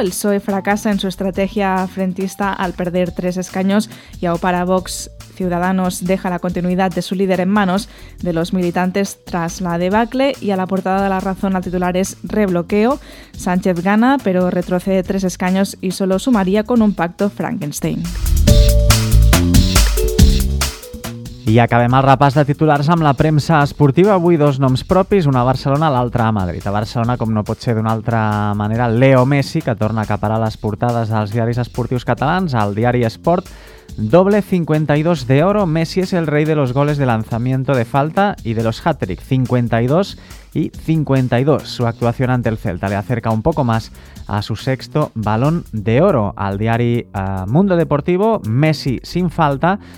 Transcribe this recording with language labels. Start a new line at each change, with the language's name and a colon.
Spanish: El PSOE fracasa en su estrategia frentista al perder 3 escaños y aupara a Vox. Ciudadanos deja la continuidad de su líder en manos de los militantes tras la debacle. Y a la portada de La Razón, el titular es rebloqueo. Sánchez gana, pero retrocede 3 escaños y solo sumaría con un pacto Frankenstein.
Catalan: I acabem el repàs de titulars amb la premsa esportiva. Avui dos noms propis, una a Barcelona, l'altra a Madrid. A Barcelona, com no pot ser d'una altra manera, Leo Messi, que torna a acaparar les portades dels diaris esportius catalans. El diari Esport
Spanish: Doble 52 de oro, Messi es el rey de los goles de lanzamiento de falta y de los hat-trick, 52 y 52. Su actuación ante el Celta le acerca un poco más a su sexto balón de oro. Al diario Mundo Deportivo, Messi sin falta.